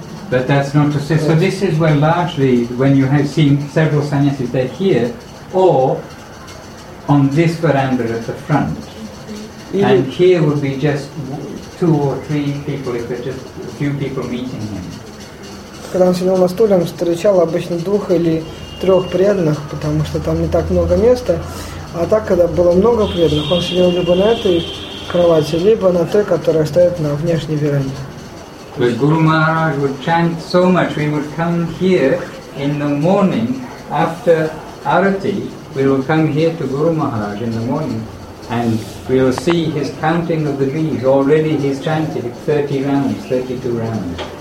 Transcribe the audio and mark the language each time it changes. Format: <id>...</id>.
<en>But that's not to say. So this is where largely, when you have seen several sannyasis, they're here or on this veranda at the front. And here would be just two or three people, if there's just a few people meeting him.</en> <ru>Когда он сидел на стуле, он встречал обычно двух или трех преданных, потому что там не так много места. А так, когда было много преданных, он сидел либо на этой кровати, либо на той, которая стоит на внешней веранде.</ru> <en>But Guru Maharaj would chant so much, we would come here in the morning after arati, we would come here to Guru Maharaj in the morning, and we will see his counting of the beads. Already he's chanted 30 rounds, 32 rounds.</en>